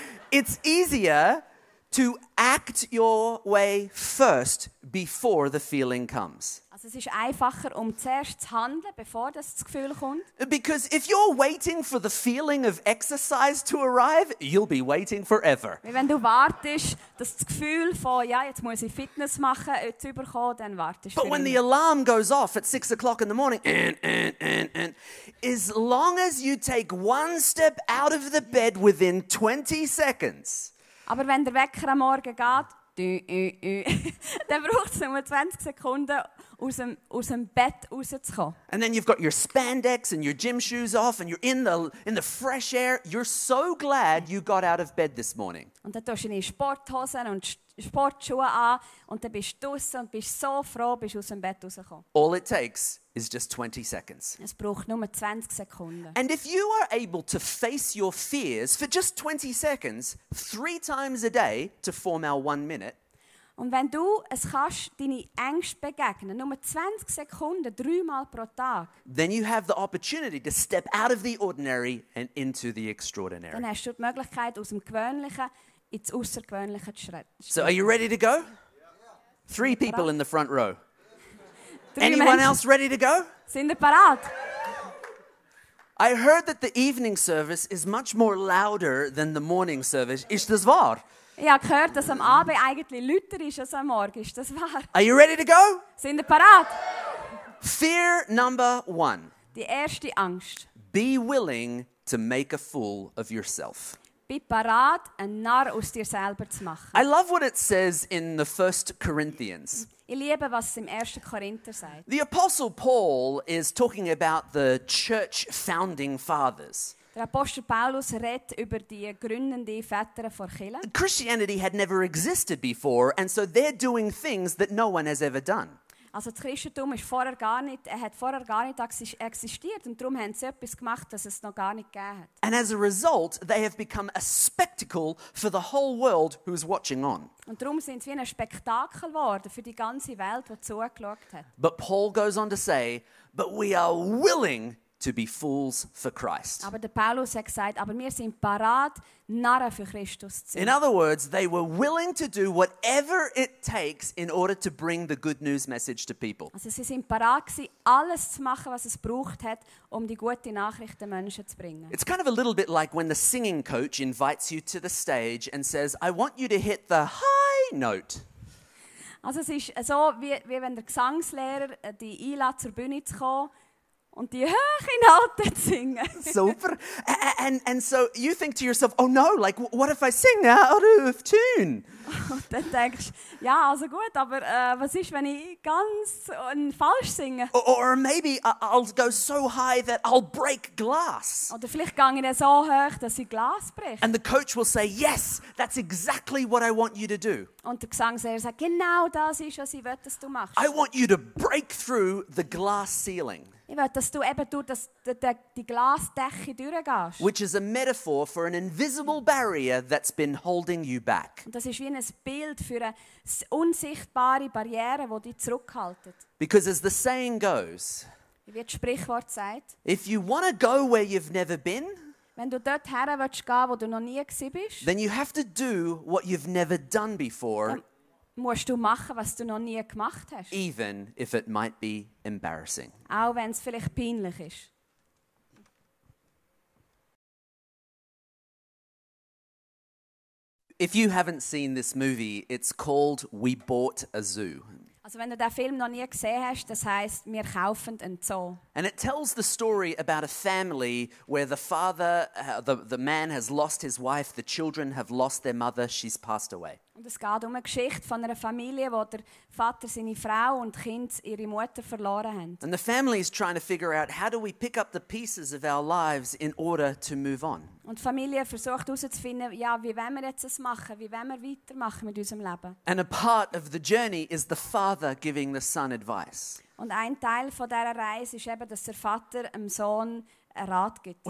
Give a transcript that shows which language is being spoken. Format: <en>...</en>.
<en>It's easier to act your way first before the feeling comes.</en> <de>Also es ist einfacher, zuerst zu handeln, bevor das Gefühl kommt.</de> <en>Because if you're waiting for the feeling of exercise to arrive, you'll be waiting forever.</en> <de>Wenn du wartest, dass das Gefühl von, ja, jetzt muss ich Fitness machen, zu überkommen, dann wartest du.</de> <en>But when the alarm goes off at 6 o'clock in the morning, as long as you take one step out of the bed within 20 seconds.</en> <de>Aber wenn der Wecker am Morgen geht, dann braucht es nur 20 Sekunden, aus dem Bett rauszukommen.</de> <en>And then you've got your spandex and your gym shoes off and you're in the fresh air. You're so glad you got out of bed this morning.</en> <de>Und dann tust du deine Sporthosen und Sportschuhe an und dann bist du draußen und bist so froh, bist aus dem Bett rausgekommen.</de> <en>All it takes is just 20 seconds.</en> <de>Es braucht nur 20 Sekunden.</de> <en>And if you are able to face your fears for just 20 seconds, 3 times a day to form our 1 minute,</en> <de>und wenn du es kannst, deine Ängste begegnen, nur 20 Sekunden, 3 Mal pro Tag,</de> <en>then you have the opportunity to step out of the ordinary and into the extraordinary.</en> <de>Dann hast du die Möglichkeit, aus dem Gewöhnlichen ins Außergewöhnliche zu schreiten.</de> <en>So, are you ready to go? Yeah. 3 people in the front row. Anyone else ready to go?</en> <de>Sind ihr parat?</de> <en>I heard that the evening service is much more louder than the morning service.</en> <de>Ist das wahr? Ich habe gehört, dass am Abend eigentlich lauter ist als am Morgen. Ist das wahr?</de> <en>Are you ready to go?</en> <de>Sind ihr parat?</de> <en>Fear number one.</en> <de>Die erste Angst.</de> <en>Be willing to make a fool of yourself.</en> <de>Bin bereit, einen Narr aus dir selber zu machen.</de> <en>I love what it says in the 1 Corinthians.</en> <de>Ich liebe, was es im 1. Korinther sagt.</de> <en>The Apostle Paul is talking about the church founding fathers.</en> <de>Der Apostel Paulus redet über die gründenden Väter von Kirche.</de> <en>Christianity had never existed before, and so they're doing things that no one has ever done.</en> <de>Also das Christentum ist vorher gar nicht, hat vorher gar nicht existiert und darum haben sie etwas gemacht, das es noch gar nicht gegeben hat.</de> <en>And as a result, they have become a spectacle for the whole world who is watching on.</en> <de>Und darum sind sie wie ein Spektakel geworden für die ganze Welt, die zugeschaut hat.</de> <en>But Paul goes on to say, but we are willing to be fools for Christ.</en> <de>Aber der Paulus hat gesagt, aber wir sind parat, Narren für Christus zu sein.</de> <en>In other words, they were willing to do whatever it takes in order to bring the good news message to people.</en> <de>Also sie sind parat gsi, alles zu machen, was es braucht hat, um die gute Nachricht den Menschen zu bringen.</de> <en>It's kind of a little bit like when the singing coach invites you to the stage and says, I want you to hit the high note.</en> <de>Also es ist so, wie wenn der Gesangslehrer die einlädt, zur Bühne zu kommen, und die höchste Note zu singen.</de> <en>Super. And so you think to yourself, oh no, like what if I sing out of tune?</en> <de>Und dann denkst du, ja, also gut, aber was ist, wenn ich ganz falsch singe?</de> <en>Or maybe I'll go so high that I'll break glass.</en> <de>Oder vielleicht gehe ich dann so hoch, dass ich Glas breche.</de> <en>And the coach will say, yes, that's exactly what I want you to do.</en> <de>Und der Gesangslehrer sagt, genau das ist, was ich will, dass du machst.</de> <en>I want you to break through the glass ceiling.</en> <de>Ich will, dass du eben durch die Glasdecke durchgehst.</de> <en>Which is a metaphor for an invisible barrier that's been holding you back.</en> <de>Und das ist wie ein Bild für eine unsichtbare Barriere, die dich zurückhält.</de> <en>Because as the saying goes,</en> <de>wie das Sprichwort sagt,</de> <en>if you want to go where you've never been,</en> <de>wenn du dort her willst gehen, wo du noch nie gsi bist,</de> <en>then you have to do what you've never done before.</en> <de>Musst du machen, was du noch nie gemacht hast.</de> <en>Even if it might be embarrassing.</en> <de>Auch wenn es vielleicht peinlich ist.</de> <en>If you haven't seen this movie, it's called We Bought a Zoo.</en> <de>Also wenn du den Film noch nie gesehen hast, das heisst, wir kaufen einen Zoo.</de> <en>And it tells the story about a family where the father, the man has lost his wife, the children have lost their mother, she's passed away.</en> <de>Und es geht um eine Geschichte von einer Familie, wo der Vater seine Frau und Kind ihre Mutter verloren haben.</de> <en>And the family is trying to figure out how do we pick up the pieces of our lives in order to move on.</en> <de>Und die Familie versucht herauszufinden, ja, wie wollen wir jetzt das machen, wie wollen wir weitermachen mit unserem Leben.</de> <en>And a part of the journey is the father giving the son advice.</en> <de>Und ein Teil von dieser Reise ist eben, dass der Vater dem Sohn einen Rat gibt.</de>